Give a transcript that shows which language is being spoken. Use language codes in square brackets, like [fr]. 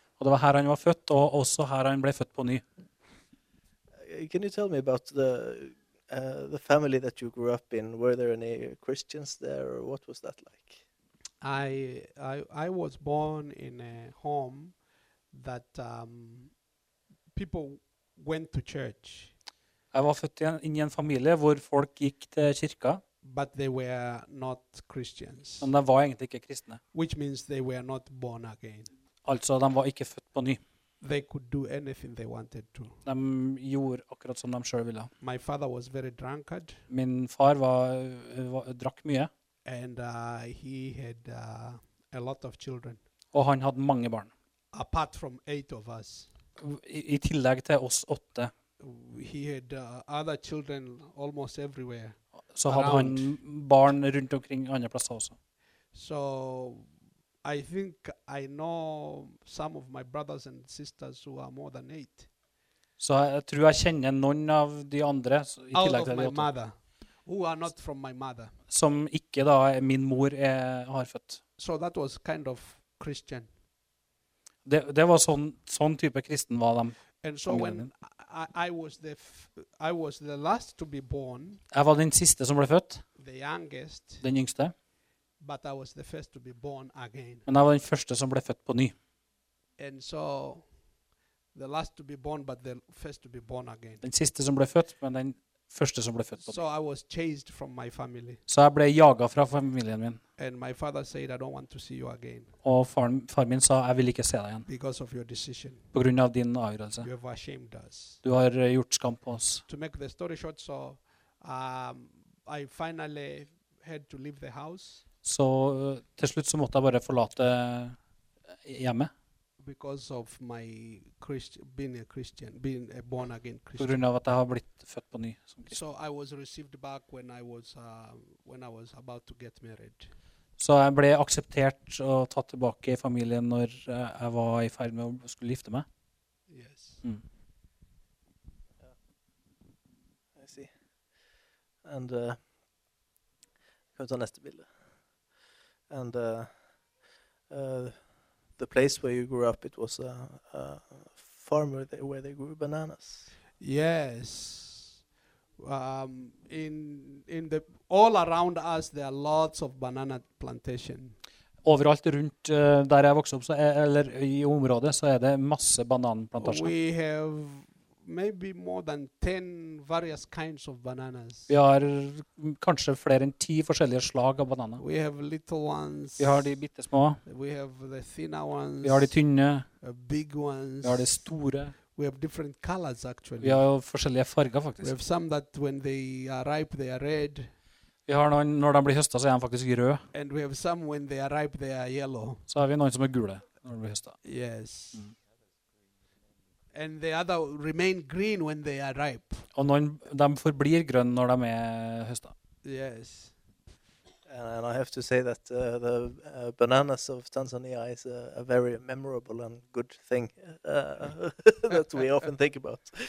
[no] Og det var her han var født, og også her han ble født på ny. [en] Can you tell me about the family that you grew up in? Were there any Christians there, or what was that like? I was born in a home that people went to church. [no] Jeg var født inn i en familie hvor folk gikk til kirka. [en] But they were not Christians. [no] Men de var egentlig ikke kristne. [en] Which means they were not born again. [no] Altså, de var ikke født på ny. [en] They could do anything they wanted to. [no] De gjorde akkurat som de selv ville. [en] My father was very drunkard. [no] Min far drakk mye. [en] And he had a lot of children. [no] Og han hadde mange barn. [en] Apart from 8 of us. [no] I tillegg til oss 8. [en] He had other children almost everywhere. [no] Så hadde han barn rundt omkring andre plasser også. [en] So I think I know some of my brothers and sisters who are more than 8. [no] Så jeg tror jeg kjenner noen av de andre i tillegg til de 8. [en] Out of my mother, who are not from my mother. [no] Som ikke da min mor har født. [en] So that was kind of Christian. [no] Det var sånn type kristen var de. [en] And so when I was the last to be born. [no] Jeg var den siste som ble født. [en] The youngest. [no] Den yngste. [en] But I was the first to be born again. [no] Men jeg var den første som ble født på ny. [en] And so the last to be born but the first to be born again. [no] Den siste som ble født, men den første som ble født på ny. [en] So I was chased from my family. [no] Så jeg ble jaget fra familien min. [en] And my father said, I don't want to see you again. [no] Og far min sa, jeg vil ikke se deg igjen. [en] Because of your decision. [no] På grunn av din avgjørelse. [en] You have ashamed us. [no] Du har gjort skam på oss. [en] To make the story short, so I finally had to leave the house. [no] Så til slutt så måtte jeg bare forlate hjemmet. [en] Because of my being a Christian, being a born again Christian. [no] På grunn av at jeg har blitt født på ny som kristen. [en] So I was received back when I was about to get married. [no] Så jeg ble akseptert og tatt tilbake i familien når jeg var i ferd med å skulle gifte meg. [en] Yes. Mm. Yeah. I see. [no] And kan vi ta neste bilde. [en] And the place where you grew up, it was a farmer where they grew bananas. Yes. In the all around us there are lots of banana plantation. [no] Overalt rundt der jeg vokste opp så eller i området så det masse bananplantasjer. [en] We have maybe more than 10 various kinds of bananas. [no] Vi har kanskje flere enn 10 forskjellige slag av bananer. [en] We have little ones. [no] Vi har de bittesmå. [en] We have the thinner ones. [no] Vi har de tynne. [en] Big ones. [no] Vi har de store. [en] We have different colors actually. [no] Vi har jo forskjellige farger faktisk. [en] We have some that when they are ripe they are red. [no] Vi har noen når de blir høstet så de faktisk rød. [en] And we have some when they are ripe they are yellow. [no] Så har vi noen som gule når de blir høstet. [en] Yes. Mm. And the other remain green when they are ripe. [no] Og noen de forblir grønne når de høstet. [en] Yes. And I have to say that the bananas of Tanzania is a very memorable and good thing that we often think about.